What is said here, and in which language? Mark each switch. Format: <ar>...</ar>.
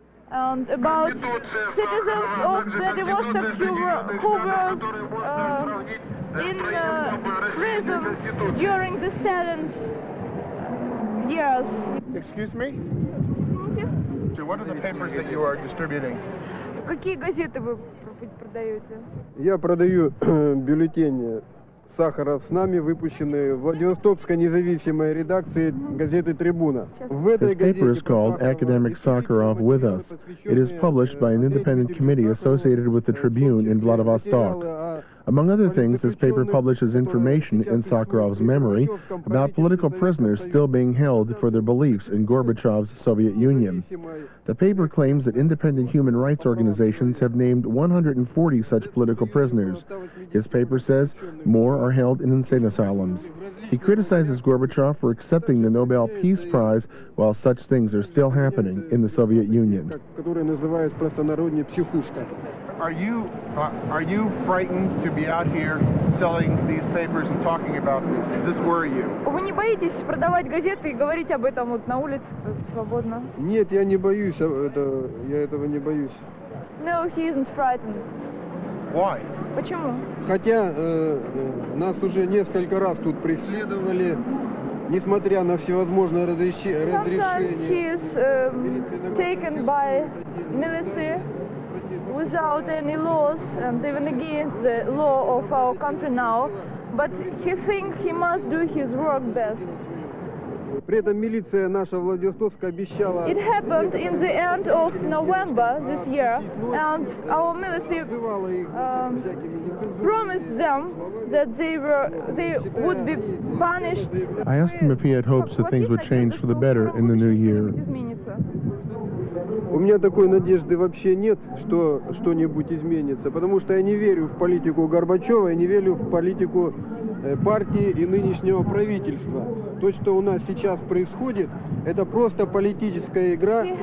<en>And about citizens of Vladivostok who were in prisons during the Stalin's years. Excuse me? So what are the papers that you are distributing?</en> <ru>Какие газеты вы продаете? Я продаю бюллетени Сахаров с нами, выпущенные в Владивостокской независимой редакции газеты «Трибуна».</ru> <en>This paper is called Academic Sakharov With Us. It is published by an independent committee associated with the Tribune in Vladivostok. Among other things, this paper publishes information in Sakharov's memory about political prisoners still being held for their beliefs in Gorbachev's Soviet Union. The paper claims that independent human rights organizations have named 140 such political prisoners. His paper says more are held in insane asylums. He criticizes Gorbachev for accepting the Nobel Peace Prize while such things are still happening in the Soviet Union. Are you frightened to be out here selling these papers and talking about this? Does this worry you?</en> <ru>Вы не боитесь продавать газеты и говорить об этом вот на улице свободно? Нет, я не боюсь. Я этого не боюсь.</ru> <en>No, he isn't frightened. Why?</en> <ru>Почему? Хотя нас уже несколько раз тут преследовали, несмотря на всевозможные разрешения.</ru> <en>Sometimes he is taken by military without any laws and even against the law of our country now, but he thinks he must do his work best.</en> <ru>При этом милиция наша Владивостокская обещала.</ru> <en>It happened in the end of November this year, and our military promised them that they would be punished. I asked him if he had hopes that things would change for the better in the new year.</en> <ru>У меня такой надежды вообще нет, что что-нибудь изменится, потому что я не верю в политику Горбачева, я не верю в политику партии и нынешнего правительства. То, что у нас сейчас происходит, это просто политическая игра.</ru>